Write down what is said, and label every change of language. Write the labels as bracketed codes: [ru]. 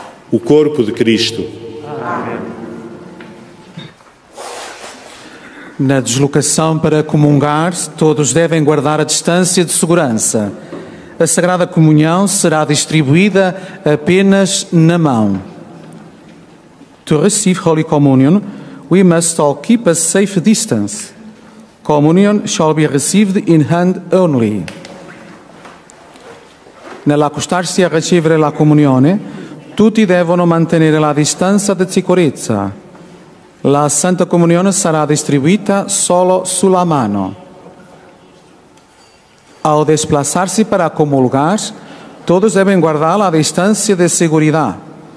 [pt] O corpo de Cristo. Na deslocação para comungar, todos devem guardar a distância de segurança. A Sagrada Comunhão será distribuída apenas na mão. [en] To receive Holy Communion, we must all keep a safe distance. Communion shall be received in hand only. [it] Nell'accostarsi a ricevere la comunione, tutti devono mantenere la distanza di sicurezza. La Santa Comunione sarà distribuita solo sulla mano. [pt] Ao desplaçar-se para comulgar, todos devem guardar a distância de segurança.